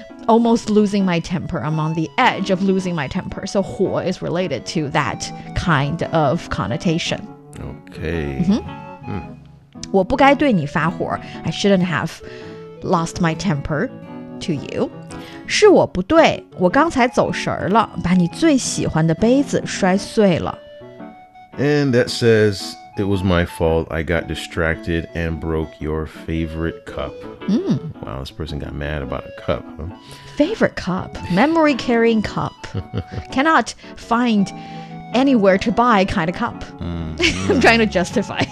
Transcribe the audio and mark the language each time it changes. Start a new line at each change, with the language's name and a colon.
English: almost losing my temper. I'm on the edge of losing my temper. So 火 is related to that kind of connotation. Okay.
Chinese: 我不该对你发火.
English: I shouldn't have lost my temper to you.
Chinese: 是我不对。我刚才走神儿了，把你最喜欢的杯子摔碎了。
English: And that says, it was my fault. I got distracted and broke your favorite cup. Wow, this person got mad about a cup, huh? Favorite cup. Memory carrying cup. Cannot find anywhere to buy kind of cup. I'm trying to justify.